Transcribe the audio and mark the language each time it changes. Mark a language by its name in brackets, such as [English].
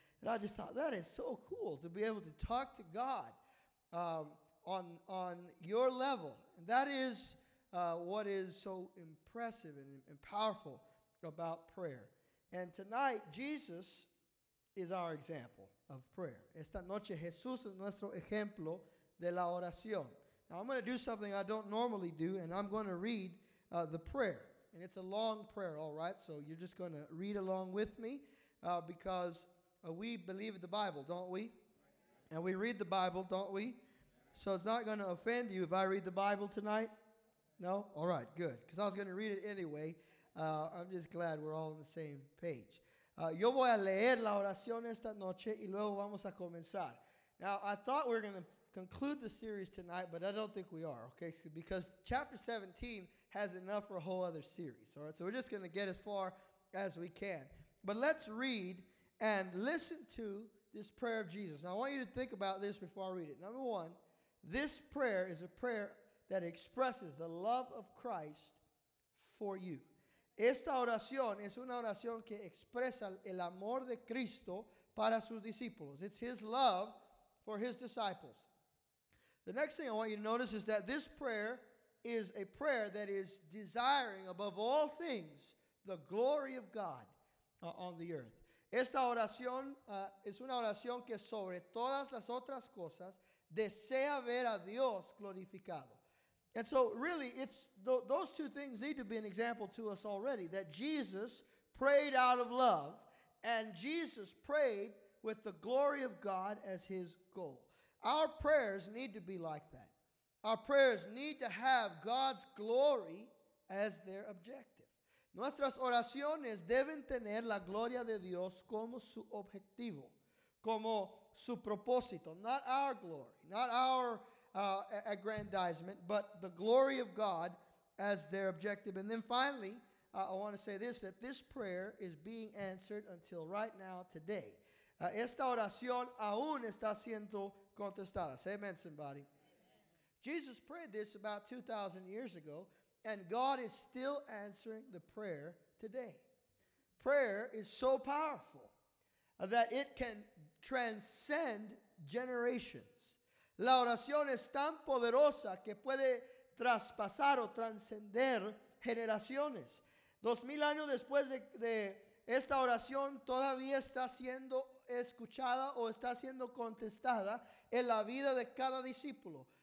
[English] And I just thought, that is so cool to be able to talk to God on your level. And that is what is so impressive and powerful about prayer. And tonight, Jesus is our example of prayer. [Spanish] Esta noche, Jesús es nuestro ejemplo de la oración. [English] Now, I'm going to do something I don't normally do, and I'm going to read the prayer. And it's a long prayer, all right? So you're just going to read along with me because we believe the Bible, don't we? And we read the Bible, don't we? So it's not going to offend you if I read the Bible tonight? No? All right, good. Because I was going to read it anyway. I'm just glad we're all on the same page. [Spanish] Yo voy a leer la oración esta noche y luego vamos a comenzar. [English] Now, I thought we were going to conclude the series tonight, but I don't think we are, okay? Because chapter 17 has enough for a whole other series, all right? So we're just going to get as far as we can. But let's read and listen to this prayer of Jesus. Now, I want you to think about this before I read it. Number one, this prayer is a prayer that expresses the love of Christ for you. [Spanish] Esta oración es una oración que expresa el amor de Cristo para sus discípulos. [English] It's his love for his disciples. The next thing I want you to notice is that this prayer is a prayer that is desiring above all things the glory of God on the earth. [Spanish] Esta oración es una oración que sobre todas las otras cosas desea ver a Dios glorificado. [English] And so really, it's those two things need to be an example to us already, that Jesus prayed out of love, and Jesus prayed with the glory of God as his goal. Our prayers need to be like that. Our prayers need to have God's glory as their objective. [Spanish] Nuestras oraciones deben tener la gloria de Dios como su objetivo, como su propósito, [English] not our glory, not our aggrandizement, but the glory of God as their objective. And then finally, I want to say this, that this prayer is being answered until right now, today. [Spanish] Esta oración aún está siendo contestada. [English] Say amen, somebody. [Spanish] Amen. [English] Jesus prayed this about 2,000 years ago, and God is still answering the prayer today. Prayer is so powerful that it can transcend generations. [Spanish] La oración es tan poderosa que puede traspasar o transcender generaciones. 2,000 años después de esta oración todavía está siendo escuchada o está siendo contestada en la vida de cada discípulo.